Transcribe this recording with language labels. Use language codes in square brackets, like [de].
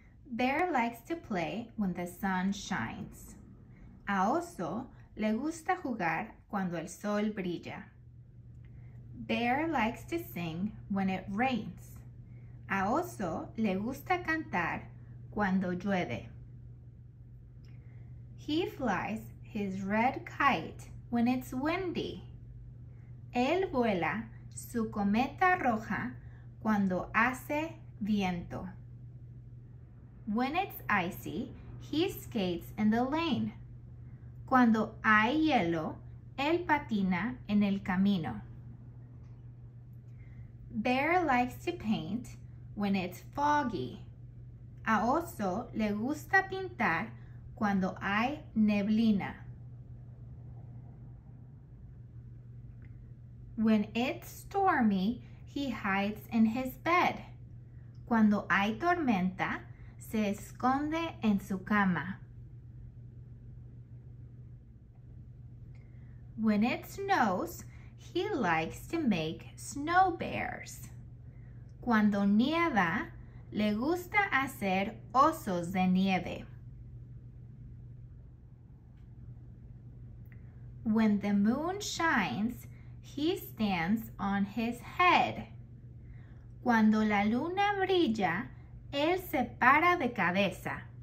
[en] Bear likes to play when the sun shines. [es] A oso le gusta jugar cuando el sol brilla. [en] Bear likes to sing when it rains. A oso le gusta cantar cuando llueve. He flies his red kite when it's windy. [es] Él vuela su cometa roja cuando hace viento. [en] When it's icy, he skates in the lane. [es] Cuando hay hielo, él patina en el camino. [en] Bear likes to paint when it's foggy. [es] A oso le gusta pintar cuando hay neblina. [en] When it's stormy, he hides in his bed. [es] Cuando hay tormenta, se esconde en su cama. [en] When it snows, he likes to make snow bears. [es] Cuando nieva, le gusta hacer osos de nieve. [en] When the moon shines, he stands on his head. [es] Cuando la luna brilla, él se para de cabeza.